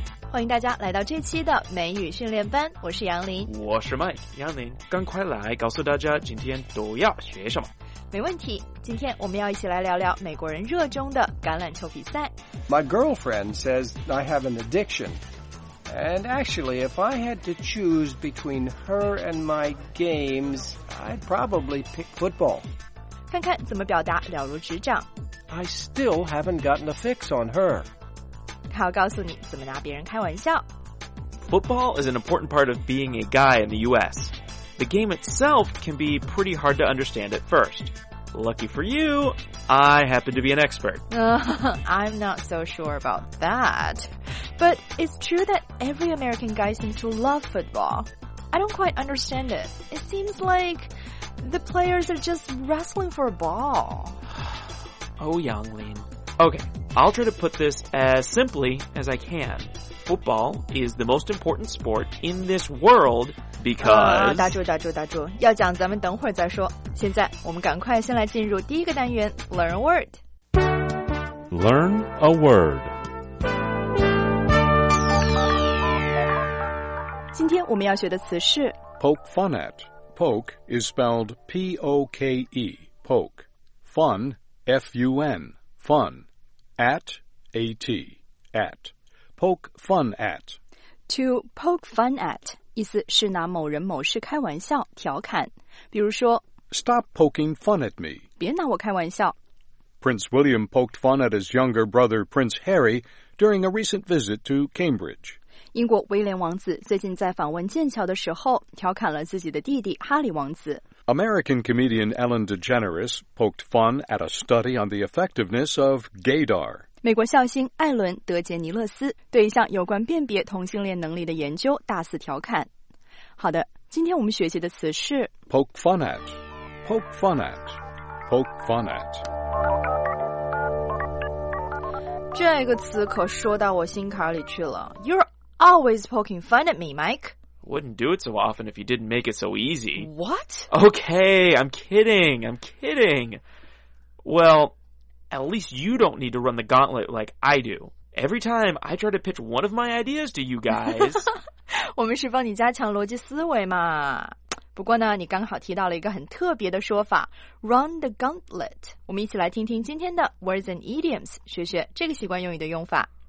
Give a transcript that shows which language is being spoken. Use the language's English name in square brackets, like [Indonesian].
[Chinese] 欢迎大家来到这期的美语训练班，我是杨林。我是 Mike， 杨林，赶快来告诉大家今天都要学什么。没问题，今天我们要一起来聊聊美国人热衷的橄榄球比赛。 [English] My girlfriend says I have an addiction. And actually, if I had to choose between her and my games, I'd probably pick football. [Chinese] 看看怎么表达了如指掌。 [English] I still haven't gotten a fix on her. [Chinese] 他要告诉你怎么拿别人开玩笑。 [English] Football is an important part of being a guy in the U.S. The game itself can be pretty hard to understand at first. Lucky for you, I happen to be an expert. I'm not so sure about that. But it's true that every American guy seems to love football. I don't quite understand it. It seems like the players are just wrestling for a ball. Oh, Yang Lin. Okay. I'll try to put this as simply as I can. Football is the most important sport in this world because... [Chinese] 打住打住打住，要讲咱们等会儿再说。现在我们赶快先来进入第一个单元 , [English] Learn a Word. Learn a Word. [Chinese] 今天我们要学的词是 [English] Poke fun at. Poke is spelled P-O-K-E. Poke. Fun, F-U-N. Fun. At, A-T, at. Poke fun at. [Chinese] To poke fun at, 意思是拿某人某事开玩笑、调侃。比如说 [English] Stop poking fun at me. [Chinese] 别拿我开玩笑。 [English] Prince William poked fun at his younger brother, Prince Harry, during a recent visit to Cambridge. [Chinese] 英国威廉王子最近在访问剑桥的时候调侃了自己的弟弟哈里王子。 [English] American comedian Ellen DeGeneres poked fun at a study on the effectiveness of gaydar. [Chinese] 美国笑星艾伦·德杰尼勒斯对一项有关辨别同性恋能力的研究大肆调侃。好的，今天我们学习的词是 [English] poke fun at, poke fun at, poke fun at. [Chinese] 这个词可说到我心坎里去了。 [English] You're always poking fun at me, Mike. Wouldn't do it so often if you didn't make it so easy. What? Okay, I'm kidding, I'm kidding. Well, at least you don't need to run the gauntlet like I do. Every time I try to pitch one of my ideas to you guys... [Chinese] 我们是帮你加强逻辑思维嘛。不过呢，你刚好提到了一个很特别的说法 ,run the gauntlet. 我们一起来听听今天的 [English] words and idioms, [Chinese] 学学这个习惯用语的用法。